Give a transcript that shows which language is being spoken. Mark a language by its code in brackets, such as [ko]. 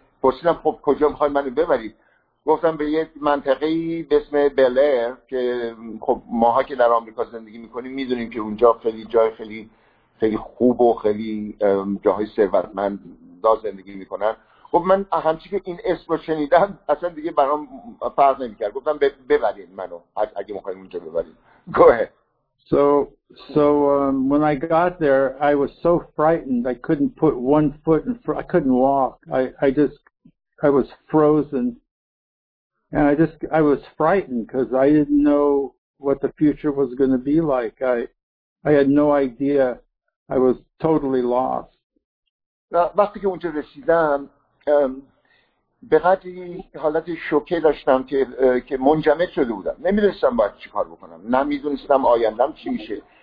[fa] پرسیدم خب کجا میخواید منو ببرید؟ گفتم به یک منطقه‌ای به اسم بل ایر که خب ماها که در آمریکا زندگی میکنیم میدونیم که اونجا خیلی جای خیلی خیلی خوب و خیلی جاهای ثروتمند زندگی میکنن. خب من همچی که این اسم رو شنیدم اصلا دیگه برام فرق نمیکرد. گفتم ببرید منو اگه میخواید اونجا ببرید. [en] Go ahead. So when I got there I was so frightened I couldn't put one foot in front. I couldn't walk. I was frozen. And I was frightened because I didn't know what the future was going to be like. I had no idea. I was totally lost. [fa] وقتی که اونجا رسیدم به قدری حالت شوکه داشتم که منجمد شده بودم. نمیدونستم باید چی کار بکنم. نمیدونستم آیندم چی میشه.